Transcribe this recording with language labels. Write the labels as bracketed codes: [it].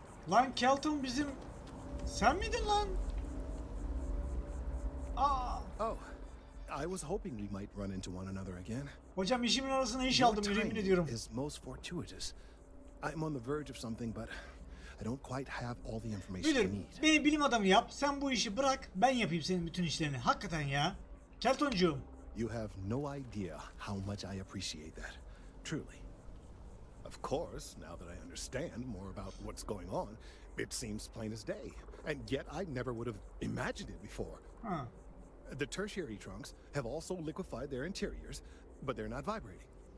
[tr] Lan Kelton bizim... Sen miydin lan? [en] Oh, I was hoping we might run into one another again. [tr] Hocam işimin arasına iş aldım, yemin ediyorum. [en] Is most fortuitous. I'm on the verge of something, but I don't quite have all the information [tr] Müdür, [en] I need. [tr] Beni bilim adamı yap, sen bu işi bırak, ben yapayım senin bütün işlerini. Hakikaten ya. Keltoncuğum. [en] You have no idea how much I appreciate that. Truly. Of course, now that I understand more about what's going on, it seems plain as day. And yet I never would have imagined it before. Huh. The tertiary trunks have also liquefied their interiors, but they're not vibrating.